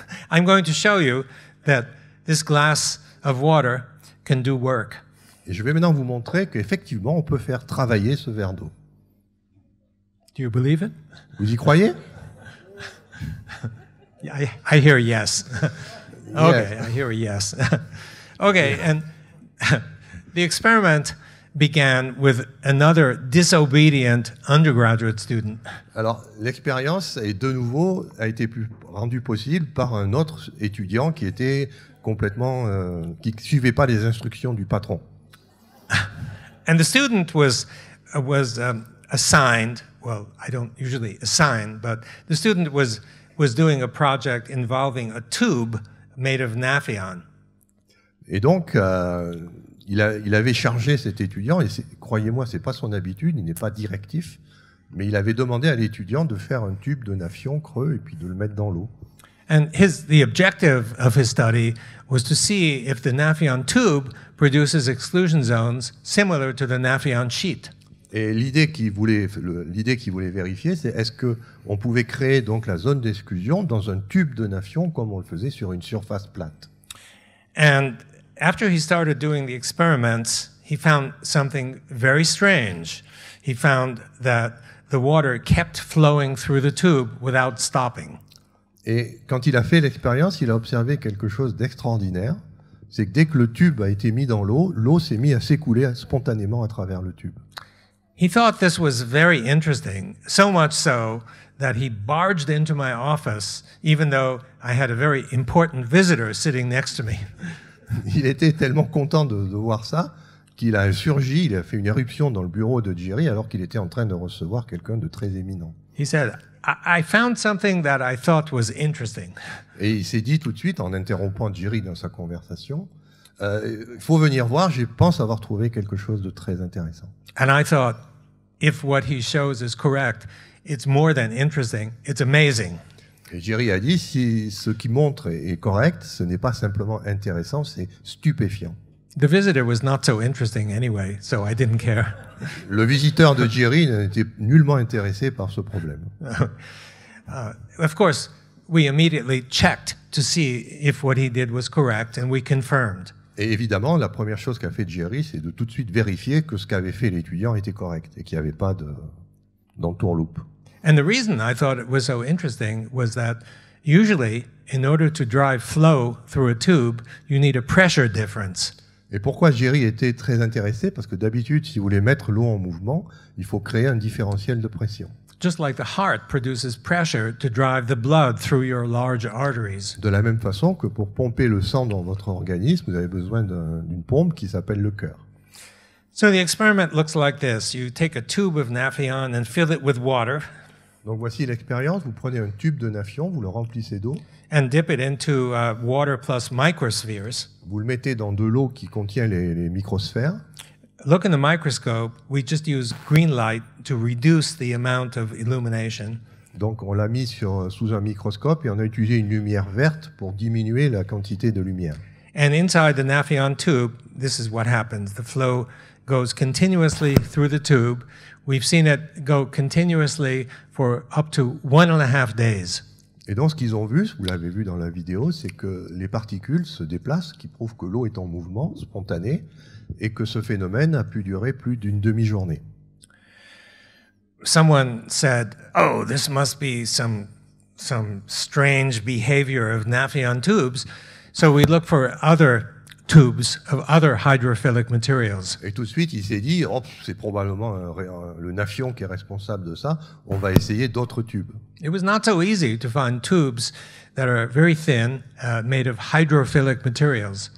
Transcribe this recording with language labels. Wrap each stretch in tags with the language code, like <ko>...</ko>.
<en>I'm going to show you that this glass of water can do work.</en> <fr>Et je vais maintenant vous montrer qu'effectivement, on peut faire travailler ce verre d'eau.</fr> <en>Do you believe it?</en> <fr>Vous y croyez?</fr> <en>I hear yes. Okay, yeah. I hear a yes. Okay, yeah. And the experiment began with another disobedient undergraduate student.</en> <fr>Alors, l'expérience est de nouveau a été rendue possible par un autre étudiant qui était complètement qui suivait pas les instructions du patron.</fr> <en>And the student was assigned. Well, I don't usually assign, but the student was doing a project involving a tube made of naphthion.</en> <fr>Et donc, il avait chargé cet étudiant, et croyez-moi, c'est pas son habitude, il n'est pas directif, mais il avait demandé à l'étudiant de faire un tube de naphthion creux et puis de le mettre dans l'eau.</fr> <en>And the objective of his study was to see if the naphthion tube produces exclusion zones similar to the naphthion sheet.</en> <fr>Et l'idée qu'il voulait vérifier, c'est est-ce qu'on pouvait créer donc la zone d'exclusion dans un tube de naphthion comme on le faisait sur une surface plate.</fr> <en>And after he started doing the experiments, he found something very strange. He found that the water kept flowing through the tube without stopping.</en> <fr>Et quand il a fait l'expérience, il a observé quelque chose d'extraordinaire. C'est que dès que le tube a été mis dans l'eau, l'eau s'est mise à s'écouler spontanément à travers le tube.</fr> <en>He thought this was very interesting, so much so that he barged into my office, even though I had a very important visitor sitting next to me.</en> <fr>Il était tellement content de voir ça qu'il a surgi, il a fait une éruption dans le bureau de Jerry alors qu'il était en train de recevoir quelqu'un de très éminent.</fr> <en>He said, I found something that I thought was interesting.</en> <fr>Et il s'est dit tout de suite, en interrompant Jerry dans sa conversation, il faut venir voir, je pense avoir trouvé quelque chose de très intéressant.</fr> <en>And I thought, if what he shows is correct, it's more than interesting, it's amazing.</en> <fr>Et Jerry a dit, si ce qu'il montre est correct, ce n'est pas simplement intéressant, c'est stupéfiant.</fr> <en>The visitor was not so interesting anyway, so I didn't care.</en> <fr>Le visiteur de Jerry n'était nullement intéressé par ce problème.</fr> <en>Of course, we immediately checked to see if what he did was correct, and we confirmed.</en> <fr>Et évidemment, la première chose qu'a fait Jerry, c'est de tout de suite vérifier que ce qu'avait fait l'étudiant était correct et qu'il n'y avait pas d'entourloupe.</fr> <en>And the reason I thought it was so interesting was that usually, in order to drive flow through a tube, you need a pressure difference.</en> <fr>Et pourquoi Jerry était très intéressé? Parce que d'habitude, si vous voulez mettre l'eau en mouvement, il faut créer un différentiel de pression.</fr> <en>Just like the heart produces pressure to drive the blood through your large arteries.</en> <fr>De la même façon que pour pomper le sang dans votre organisme, vous avez besoin d'une pompe qui s'appelle le cœur.</fr> <en>So the experiment looks like this. You take a tube of naphthion and fill it with water.</en> <fr>Donc voici l'expérience. Vous prenez un tube de naphthion, vous le remplissez d'eau.</fr> <en>And dip it into water plus microspheres.</en> <fr>Vous le mettez dans de l'eau qui contient les microsphères.</fr> <en>Look in the microscope, we just use green light to reduce the amount of illumination.</en> <fr>Donc on l'a mis sous un microscope et on a utilisé une lumière verte pour diminuer la quantité de lumière.</fr> <en>And inside the naphthion tube, this is what happens. The flow goes continuously through the tube. We've seen it go continuously for up to 1.5 days.</en> <fr>Et donc ce qu'ils ont vu, vous l'avez vu dans la vidéo, c'est que les particules se déplacent, qui prouve que l'eau est en mouvement spontané, et que ce phénomène a pu durer plus d'une demi-journée.</fr> <en>Someone said, oh, this must be some strange behavior of naphthion tubes. So we look for other tubes of other hydrophilic materials.</en> <fr>Et tout de suite, il s'est dit, oh, c'est probablement le nafion qui est responsable de ça. On va essayer d'autres tubes.</fr> <en>It was not so easy to find tubes that are very thin, made of hydrophilic materials.</en>